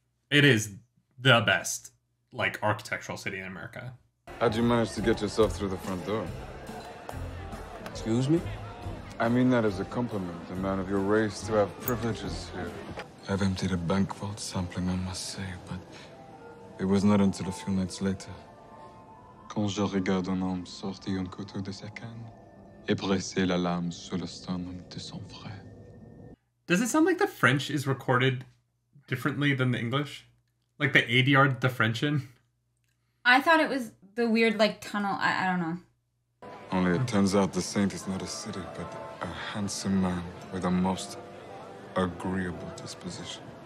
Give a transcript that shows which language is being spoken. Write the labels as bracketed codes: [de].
[en] It is the best, like, architectural city in America. How'd you manage to get yourself through the front door? Excuse me? I mean that as a compliment, a man of your race to have privileges here. I've emptied a bank vault sampling, I must say, but it was not until a few nights later. [fr] Quand je regarde un homme sorti un couteau de sa canne et presser la lame sur le sternum de son frère. [en] Does it sound like the French is recorded differently than the English? Like the ADR the French in? I thought it was the weird, like, tunnel. I don't know. Only it turns out the saint is not a city, but a handsome man with a most agreeable disposition.